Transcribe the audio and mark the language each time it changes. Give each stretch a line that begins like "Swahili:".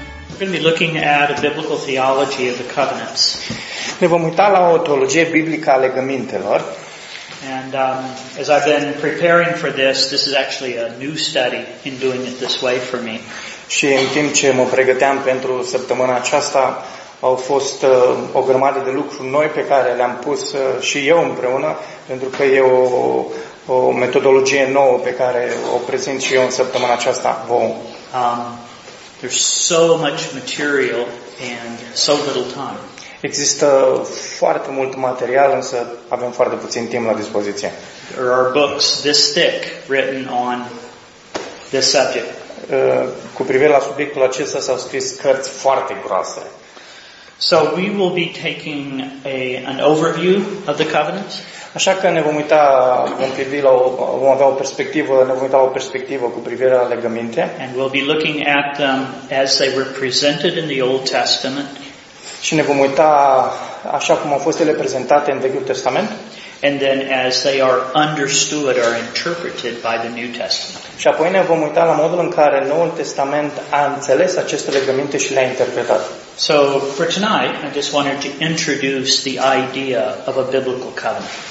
English: We're going to be looking at a biblical theology of the covenants.
Romanian: Ne vom uita la o teologie biblică a legămintelor.
English: And as I've been preparing for this, this is actually a new study in doing it this way for me.
Romanian: Și în timp ce mă pregăteam pentru săptămâna aceasta, au fost o grămadă de lucruri noi pe care le-am pus și eu împreună, pentru că e o metodologie nouă pe care o prezint și eu în săptămâna aceasta vouă.
English: There's so much material and so little time.
Romanian: Există foarte mult material, însă avem foarte puțin timp la dispoziție.
English: There are books this thick written on this subject.
Romanian: Cu privire la subiectul acesta s-au scris cărți foarte groase.
English: So we will be taking an overview of the covenant.
Romanian: Așa că ne vom uita, vom avea o perspectivă, ne vom uita la o perspectivă cu privire la legăminte.
English: And we'll be looking at them as they were presented in the Old Testament.
Romanian: Și ne vom uita așa cum au fost ele prezentate în Vechiul Testament.
English: And then as they are understood or interpreted by the New Testament.
Romanian: Și apoi ne vom uita la modul în care Noul Testament a înțeles aceste legăminte și le-a interpretat.
English: So for tonight, I just wanted to introduce the idea of a biblical covenant.